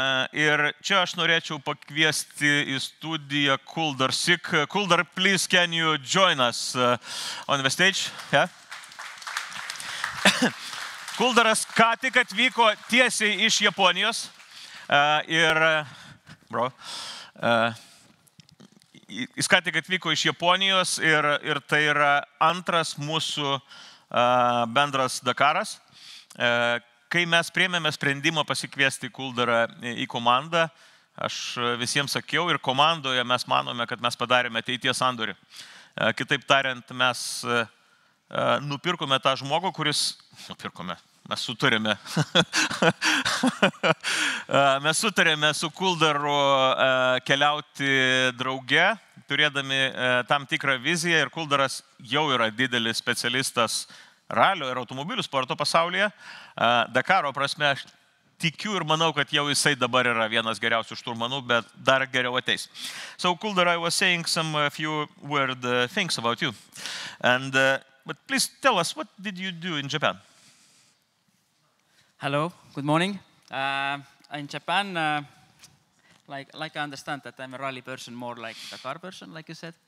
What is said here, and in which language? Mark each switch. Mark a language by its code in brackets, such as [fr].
[lt] Ir čia aš norėčiau pakviesti į studiją Kuldar Sik. [en] Kuldar, please can you join us on the stage? Yeah? [lt] Kuldaras ką tik atvyko tiesiai iš Japonijos ir tai yra antras mūsų bendras Dakaras. Kai mes priėmėme sprendimą pasikviesti Kuldarą į komandą, aš visiems sakiau ir komandoje mes manome, kad mes padarėme ateities sandorį. Kitaip tariant, mes nupirkome tą žmogų, kuris... Mes sutarėme su Kuldaru keliauti drauge, turėdami tam tikrą viziją ir Kuldaras jau yra didelis specialistas ralio ir automobilių sporto pasaulyje. Dakaro prasme, aš tikiu ir manau, kad jau jisai dabar yra vienas geriausių šturmanų, bet dar geriau ateis. [en] So, Kuldar, I was saying some few weird things about you. And, but please tell us, what did you do in Japan? Hello, good morning. In Japan, like I understand that I'm a rally person, more like a car person, like you said.